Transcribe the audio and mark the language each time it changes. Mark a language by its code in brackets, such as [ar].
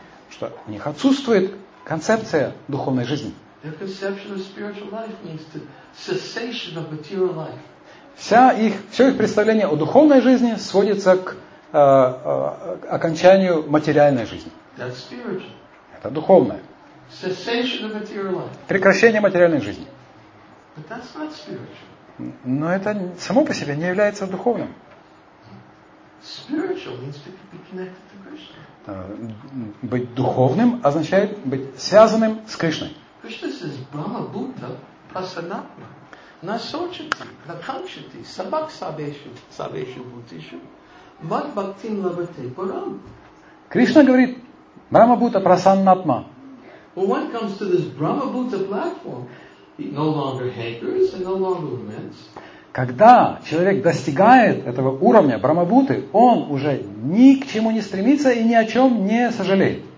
[ru] Что у них отсутствует концепция духовной жизни. [en] Their conception of spiritual life means the cessation of material life. [ru] Все их представление о духовной жизни сводится к окончанию материальной жизни. [en] That's spiritual. [ru] Это духовное. [en] Cessation of material life. [ru] Прекращение материальной жизни. [en] But that's not spiritual. [ru] Но это само по себе не является духовным. [en] Spiritual means to be connected to Krishna. [ru] Быть духовным означает быть связанным с Кришной. [en] Krishna says [sa] Brahma Buddha Prasanatma Nasochati Nakanchati Sabak Sabeshu Bhutishu Mad Bhaktim Labhate Param. Krishna [ru] говорит [sa] Brahma Buddha Prasanatma. [en] When one comes to this Brahma Buddha platform, he no longer hankers and no longer laments. [ru] Когда человек достигает этого уровня Брахма Бхуты, он уже ни к чему не стремится и ни о чем не сожалеет.